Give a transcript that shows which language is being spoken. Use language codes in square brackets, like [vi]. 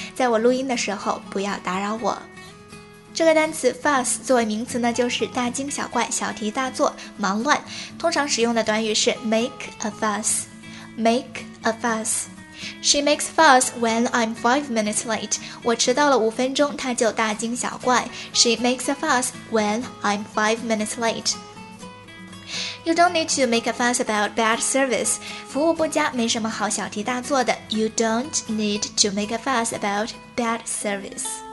[zh] 在我录音的时候不要打扰我。这个单词 fuss 作为名词呢就是大惊小怪小题大做忙乱。通常使用的短语是 [en] make a fuss. Make a fuss. She makes fuss when I'm 5 minutes late. [zh] 我迟到了5分钟她就大惊小怪。 [en] She makes a fuss when I'm 5 minutes late. You don't need to make a fuss about bad service. [zh] 服务不佳没什么好小题大做的。 [en] You don't need to make a fuss about bad service.